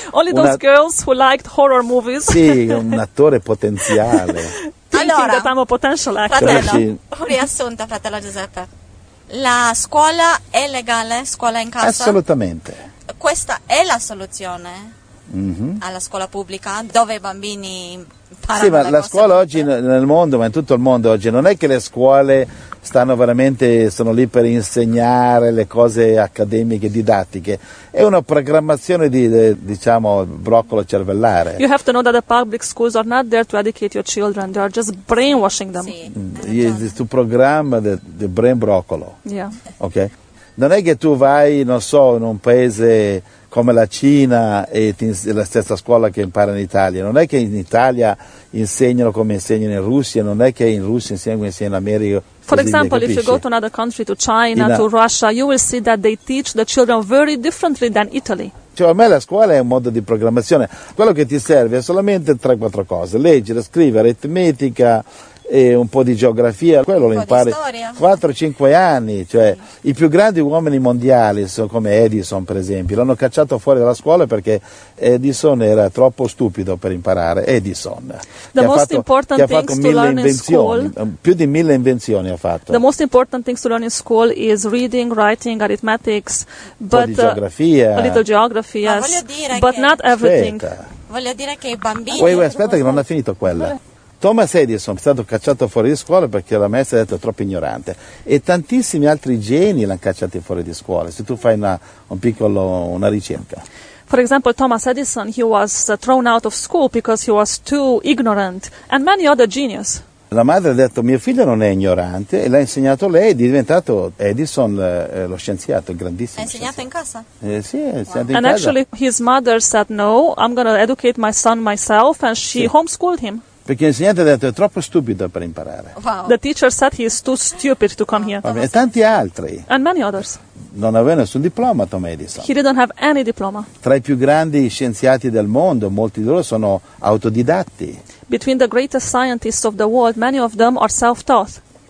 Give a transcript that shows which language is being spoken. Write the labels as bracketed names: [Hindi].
[English] Only those girls who liked horror movies. [Italian] Sì, un attore potenziale. [English] Allora, that I'm a potential actor. [Italian] Fratello, riassunta, fratello Giuseppe. La scuola è legale, scuola in casa? Assolutamente. Questa è la soluzione alla scuola pubblica, dove i bambini imparano. Sì, ma la scuola oggi nel mondo, ma in tutto il mondo oggi, non è che le scuole stanno veramente, sono lì per insegnare le cose accademiche, didattiche. È una programmazione di, diciamo, broccolo cervellare. [English] You have to know that the public schools are not there to educate your children, they are just brainwashing them. [Italian] Sì, tu programma del brain broccolo. [English] Yeah. Ok? [Italian] Non è che tu vai, non so, in un paese come la Cina e la stessa scuola che impara in Italia. Non è che in Italia insegnano come insegnano in Russia, non è che in Russia insegnano come insegnano in America. [English] For example, if you go to another country, to China, to Russia, you will see that they teach the children very differently than Italy. [Italian] Cioè, a me la scuola è un modo di programmazione. Quello che ti serve è solamente 3-4 cose. Leggere, scrivere, aritmetica e un po' di geografia. Quello lo impari 4-5 anni. Cioè, sì. I più grandi uomini mondiali, come Edison, per esempio, l'hanno cacciato fuori dalla scuola perché Edison era troppo stupido per imparare. Edison. [English] The most important things to learn in school. [Italian] Più di 1000 invenzioni ha fatto. [English] The most important things to learn in school is reading, writing, arithmetics, but [Italian] un po' di geografia. [English] A little geography, yes. But not everything. [Italian] Voglio dire che i bambini. Aspetta, che non ha finito quella. Thomas Edison è stato cacciato fuori di scuola perché la maestra ha detto troppo ignorante. E tantissimi altri geni l'hanno cacciato fuori di scuola. Se tu fai una ricerca. [English] For example, Thomas Edison, he was thrown out of school because he was too ignorant. And many other genius. [Italian] La madre ha detto, mio figlio non è ignorante, e l'ha insegnato lei, è diventato Edison, lo scienziato, grandissimo. Ha insegnato in casa? Sì, ha insegnato in [English] casa. And actually his mother said, no, I'm going to educate my son myself, and she homeschooled him. [Italian] Perché l'insegnante ha detto, è troppo stupido per imparare. Wow. [English] The teacher said he is too stupid to come here. [Italian] E tanti altri. [English] And many others. [Italian] non aveva nessun diploma, Tom Edison. [English] He didn't have any diploma. [Italian] Tra i più grandi scienziati del mondo, molti di loro sono autodidatti. [English] Between the greatest scientists of the world, many of them are self-taught.